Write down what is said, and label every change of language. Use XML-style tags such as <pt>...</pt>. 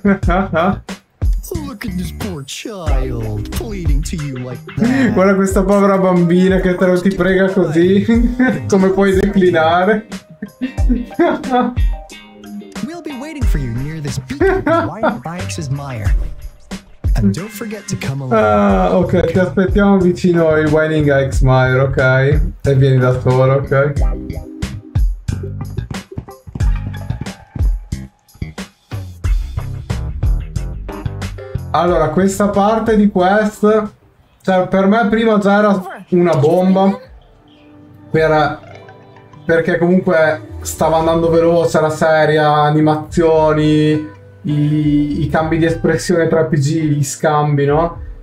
<en>Look at this poor child pleading to you like that.</en> <it>Guarda questa povera bambina che te lo ti prega così. Come puoi declinare?</it> <en>We'll be waiting for you near this beacon of Wine Mire. And don't forget to come along.</en> <it>Ok, ti aspettiamo vicino ai Wining X Mire, ok? E vieni da solo, ok? Allora, questa parte di quest, cioè, per me prima già era una bomba, perché comunque stava andando veloce la serie, animazioni, i cambi di espressione tra PG, gli scambi, no?</it>